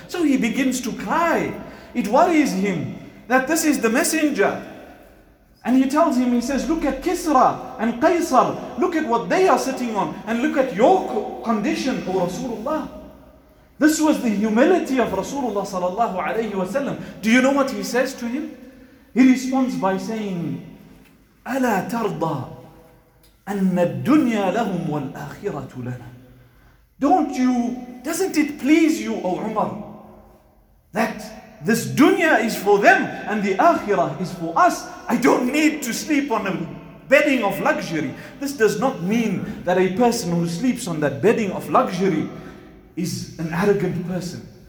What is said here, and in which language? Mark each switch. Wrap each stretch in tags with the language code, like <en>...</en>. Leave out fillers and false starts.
<en>So he begins to cry. It worries him that this is the messenger. And he tells him, he says, look at Kisra and Qaisar. Look at what they are sitting on. And look at your condition, O Rasulullah. This was the humility of Rasulullah sallallahu alayhi wa sallam. Do you know what he says to him? He responds by saying,</en> <ar>أَلَا تَرْضَى أَنَّ الدُّنْيَا لَهُمْ وَالْآخِرَةُ لَنَا.</ar> <en>Don't you, doesn't it please you, O Umar, that this dunya is for them and the akhirah is for us? I don't need to sleep on a bedding of luxury. This does not mean that a person who sleeps on that bedding of luxury is an arrogant person.</en>